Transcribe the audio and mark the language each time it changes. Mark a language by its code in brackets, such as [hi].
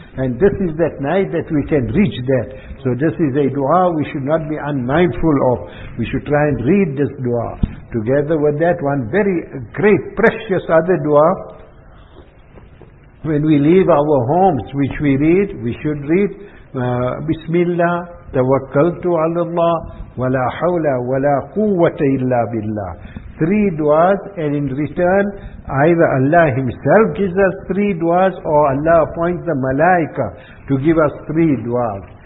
[en] And this is that night that we can reach that. So this is a dua we should not be unmindful of. We should try and read this dua. Together with that one very great, precious other dua. When we leave our homes, which we read, we should read. [ar] بسم الله توكلت على الله ولا حول ولا قوة إلا بالله. [en] Three du'as, and in return, either Allah Himself gives us three du'as, or Allah appoints the malaika to give us three du'as.